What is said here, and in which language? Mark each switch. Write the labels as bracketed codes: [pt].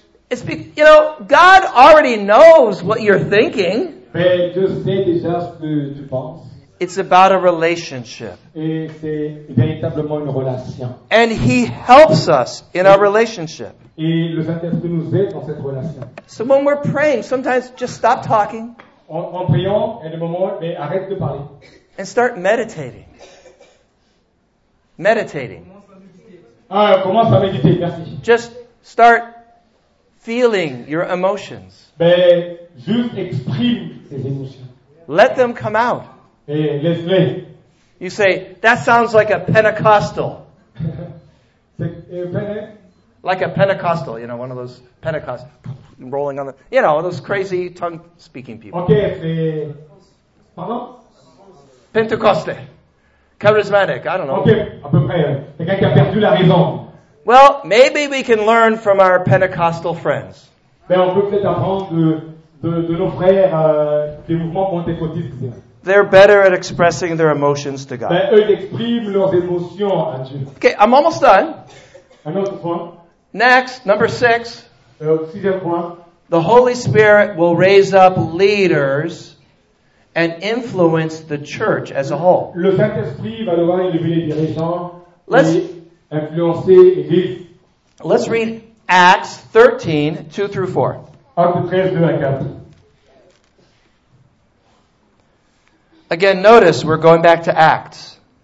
[en] It's because, you know, God already knows what you're thinking. [fr] Mais Dieu sait déjà ce que tu penses. [en] It's about a relationship. [fr] Et c'est véritablement une relation. [en] And he helps us in our relationship. [fr] Et le Saint-Esprit nous aide dans cette relation. [en] So when we're praying, sometimes just stop talking. [fr] En priant, il y a des moments, mais arrête de parler. [en] And start meditating. Meditating. [fr] Ah, commence à méditer, merci. [en] Just start feeling your emotions. [fr] Ben, juste exprime tes émotions. [en] Let them come out. [fr] Et laisse-les. [en] You say, that sounds like a Pentecostal. Like a Pentecostal, you know, one of those Pentecost rolling on the, you know, those crazy tongue-speaking people. [fr] Okay, c'est... Pardon? [en] Pentecoste. Charismatic, I don't know. [fr] Okay, à peu près. C'est quelqu'un qui a perdu la raison. [en] Well, maybe we can learn from our Pentecostal friends. [fr] Mais on peut peut-être apprendre de nos frères des mouvements pentecôtistes. [en] They're better at expressing their emotions to God. [fr] Ben, eux, ils expriment leurs émotions à Dieu. [en] Okay, I'm almost done. [fr] Un autre point. [en] Next, number six. [fr] Sixième point. [en] The Holy Spirit will raise up leaders and influence the church as a whole. [fr] Le Saint-Esprit va devoir élever les dirigeants et influencer l'Église. [en] Let's read Acts 13, 2 through 4. [fr] Actes 13, 2 à 4. [en] Again, notice, we're going back to Acts.